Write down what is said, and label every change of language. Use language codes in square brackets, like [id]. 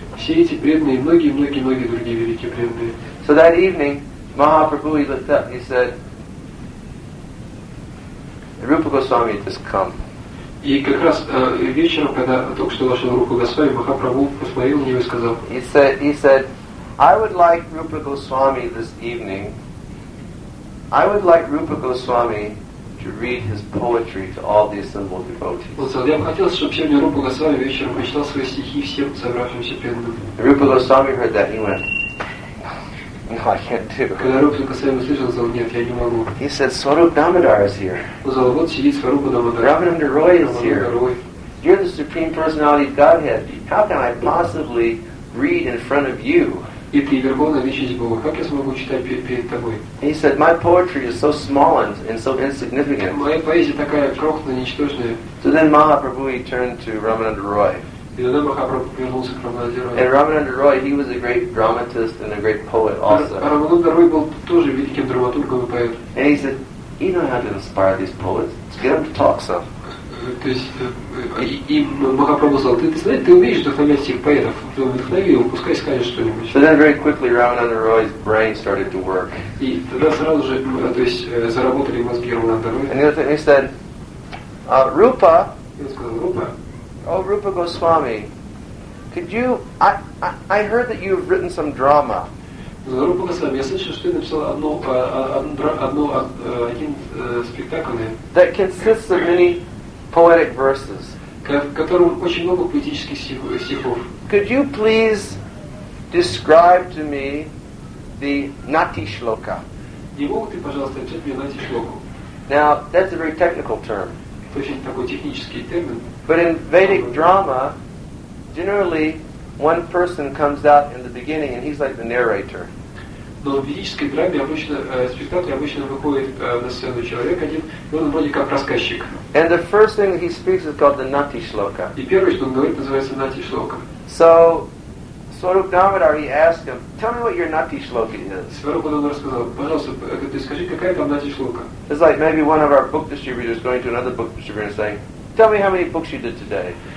[ru] Все эти преданные, многие другие великие преданные. [en] So that evening, Mahaprabhu, he looked up, he said, Rupa Goswami just come. [ru] И как раз вечером, когда только что вошел Рупа Госвами, Махапрабху посмотрел на него и сказал, [en] He said, I would like Rupa Goswami this evening, I would like Rupa Goswami to read his poetry to all the assembled devotees. [ru] Я бы хотел, чтобы сегодня Рупа Госвами вечером прочитал свои стихи всем собравшимся преданным. [en] Rupa Goswami heard that, he went, no, I can't do. [ru] Когда Рупа Госвами услышал, сказал, нет, я не могу. [en] He said, Swarup Damodar is here. [ru] Сказал, вот сидит Swarup Damodar. [en] Ramananda Roy is here. You're the Supreme Personality of Godhead. How can I possibly read in front of you? [ru] И ты верховная личность Бога. Как я смогу читать перед тобой? [en] He said, my poetry is so small and so insignificant. [ru] Моя поэзия такая крохотная, ничтожная. [en] So then Mahaprabhu he turned to Ramananda Roy. [ru] И тогда Махапрабху повернулся к Рамананде Рой. [en] And Ramananda Roy, he was a great dramatist and a great poet also. [ru] Рамананда Рой был тоже великим драматургом и поэтом. [en] And he said, you know how to inspire these poets. Let's get them to talk some. [ru] То есть, и Махапрабху сказал, ты умеешь вдохновлять всех поэтов, вдохнови его, пускай скажет что-нибудь. [en] So then very quickly Ramananda Roy's brain started to work. [ru] И тогда сразу же, то есть, заработали мозги Рамананда Роя. [en] And he said, Rupa. [ru] И он сказал, Rupa. [en] Oh, Rupa Goswami, could you, I heard that you've written some drama. [ru] Rupa Goswami, я слышал, что ты написал один спектакль. [en] That consists of many poetic verses. [ru] Которым очень много поэтических стихов. [en] Could you please describe to me the nati shloka? [ru] Не мог ты, пожалуйста, читать мне нати шлоку? [en] Now that's a very technical term. [ru] Очень такой технический термин. [en] But in Vedic drama, generally one person comes out in the beginning and he's like the narrator. [ru] Но в ведической драме обычно спектакль обычно выходит на сцену человек один, и он вроде как рассказчик. [en] And the first thing that he speaks is called the Nati Shloka. [ru] И первое, что он говорит, называется Nati Shloka. [en] So Swarup Damodar, he asked him, tell me what your Nati Shloka is. It's like maybe one of our book distributors going to another book distributor and saying, tell me how many books you did today.